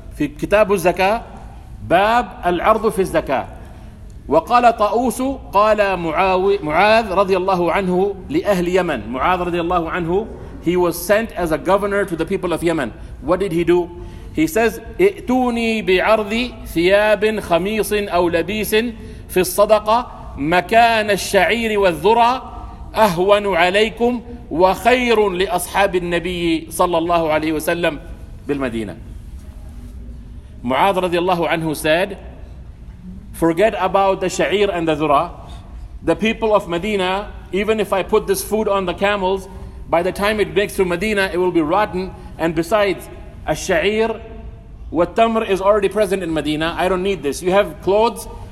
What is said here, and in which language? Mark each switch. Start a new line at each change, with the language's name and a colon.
Arabic: في كتاب الزكاة باب العرض في الزكاة. وقال طاووس قال معاذ رضي الله عنه لأهل يمن. معاذ رضي الله عنه,
English: he was sent as a governor to the people of Yemen. What did he do? He says,
Arabic: ائتوني بعرض ثياب خميص أو لبيس في الصدقة مكان الشعير والذرة أهون عليكم وخير لأصحاب النبي صلى الله عليه وسلم بالمدينة. معاذ رضي الله عنه
English: said, forget about the sha'ir and the zura. The people of Medina, even if I put this food on the camels, by the time it makes to Medina, it will be rotten. And besides, a sha'ir, what tamr is already present in Medina. I don't need this. You have clothes?